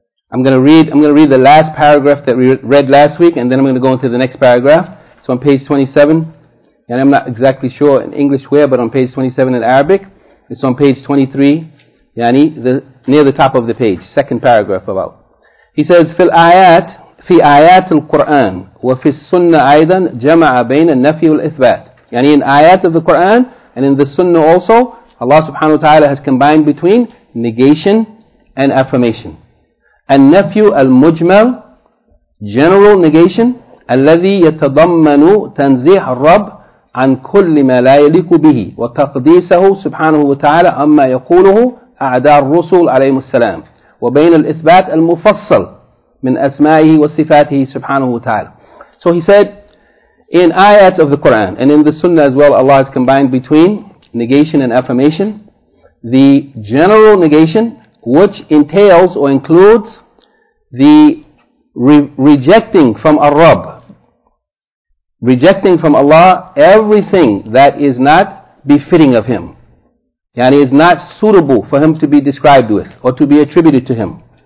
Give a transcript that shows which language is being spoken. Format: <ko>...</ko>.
<en>I'm going to read the last paragraph that we read last week, and then I'm going to go into the next paragraph. So on page 27, and I'm not exactly sure in English where, but on page 27 in Arabic, it's on page 23, yani the, near the top of the page, second paragraph about. He says,</en> <ar>في الآيات, في آيات القرآن وفي السنة أيضا جمع بين النفي والإثبات.</ar> <en>Yani in آيات of the Quran and in the Sunnah also, Allah subhanahu wa ta'ala has combined between negation and affirmation.</en> <ar>النفي المجمل,</ar> <en>general negation,</en> <ar>الذي يتضمن تنزيح الرب عن كل ما لا يليق به وتقديسه سبحانه وتعالى أما يقوله أعداء الرسل عليهم السلام وبين الإثبات المفصل من أسمائه وصفاته سبحانه وتعالى.</ar> <en>So he said, In ayats of the Quran and in the Sunnah as well, Allah has combined between negation and affirmation. The general negation, which entails or includes the rejecting from Ar-Rabb, rejecting from Allah everything that is not befitting of Him, yani is not suitable for Him to be described with or to be attributed to Him,</en>